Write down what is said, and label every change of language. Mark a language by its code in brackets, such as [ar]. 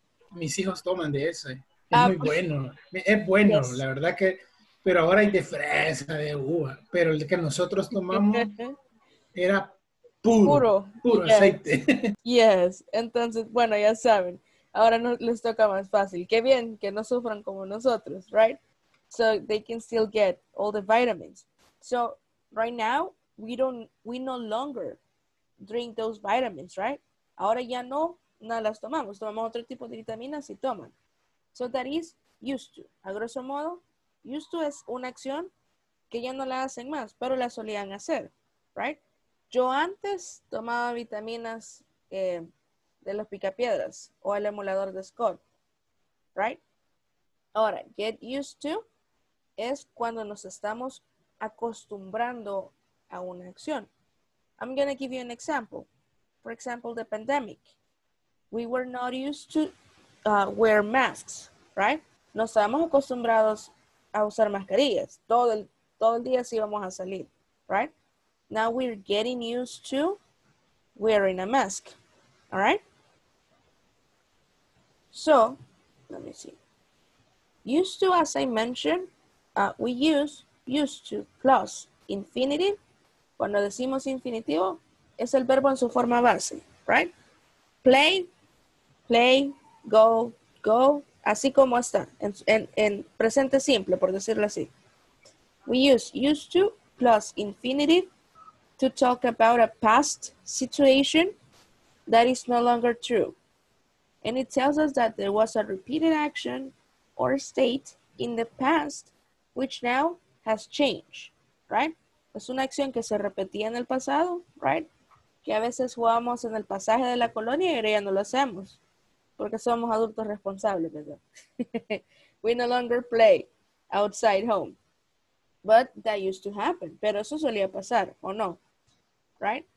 [es] Mis hijos toman de ese. Es bueno, yes. La verdad que... Pero ahora hay de fresa, de uva. Pero el que nosotros tomamos era puro yes. Aceite. Yes. Entonces, bueno, ya saben. Ahora no, les toca más fácil. Qué bien que no sufran como nosotros, right? [en] So they can still get all the vitamins. So right now, we no longer drink those vitamins, right? [es] Ahora ya no las tomamos. Tomamos otro tipo de vitaminas y toman. [en] So that is used to. [es] A grosso modo, used to es una acción que ya no la hacen más, pero la solían hacer, right? Yo antes tomaba vitaminas de los picapiedras o el emulador de Scott, right? Ahora, get used to es cuando nos estamos acostumbrando a una acción. [en] I'm going to give you an example. For example, the pandemic. We were not used to wear masks, right? [es] Nos estábamos acostumbrados a usar mascarillas. Todo el día sí vamos a salir, right? [en] Now we're getting used to wearing a mask, all right? So, let me see. Used to, as I mentioned, we use used to plus infinitive. [es] Cuando decimos infinitivo, es el verbo en su forma base, right? [en] Play, go. [es] Así como está, en presente simple, por decirlo así. [en] We use used to plus infinitive to talk about a past situation that is no longer true. And it tells us that there was a repeated action or state in the past, which now has changed, right? [es] Es una acción que se repetía en el pasado, right? Que a veces jugamos en el pasaje de la colonia y ahora ya no lo hacemos. Porque somos adultos responsables, ¿verdad? [en] We no longer play outside home. But that used to happen. [es] Pero eso solía pasar, ¿o no? [en] right?